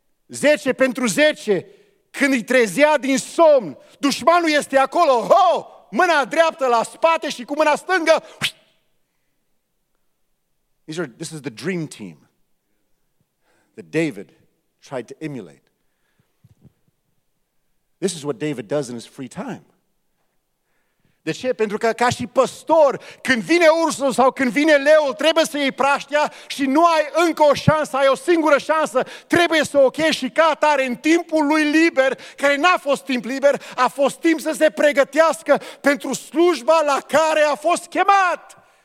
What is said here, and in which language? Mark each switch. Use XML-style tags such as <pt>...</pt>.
<ro>10 pentru 10, când îi trezea din somn, dușmanul este acolo, ho! Mâna dreaptă la spate și cu mâna stângă.</ro> <en>This is the dream team that David tried to emulate. This is what David does in his free time.</en> <ro>De ce? Pentru că ca și păstor, când vine ursul sau când vine leul, trebuie să iei praștia și nu ai încă o șansă, ai o singură șansă, trebuie să o chei și ca atare în timpul lui liber, care n-a fost timp liber, a fost timp să se pregătească pentru slujba la care a fost chemat.</ro>